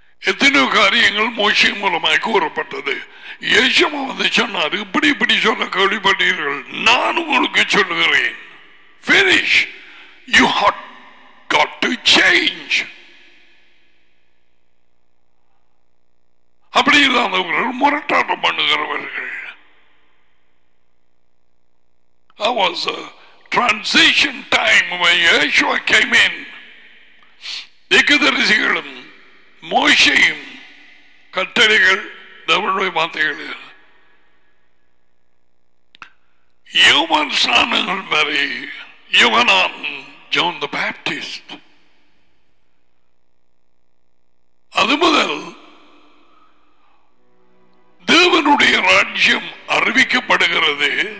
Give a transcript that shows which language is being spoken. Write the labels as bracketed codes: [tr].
[ta] எத்தனையோ காரியங்கள் மோசே மூலமாக கூறப்பட்டது. ஏசமா வந்து சொன்னார், இப்படி இப்படி சொல்ல கேள்விப்பட்டீர்கள், நான் உங்களுக்கு சொல்லுகிறேன், [en] finish, you have got to change. [ta] அப்படி இல்லாதவர்கள் முரட்டாட்டம் பண்ணுகிறவர்கள். [en] That was a transition time when Yeshua came in. [ta] தீர்க்கதரிசிகளும் மோசேயும் கட்டளைகள் தேவனுடைய வார்த்தைகள் யோவான் ஸ்நானங்கள் வரை யோவான் ஜான் தி பேப்டிஸ்ட் அது முதல் தேவனுடைய ராஜ்யம் அறிவிக்கப்படுகிறது.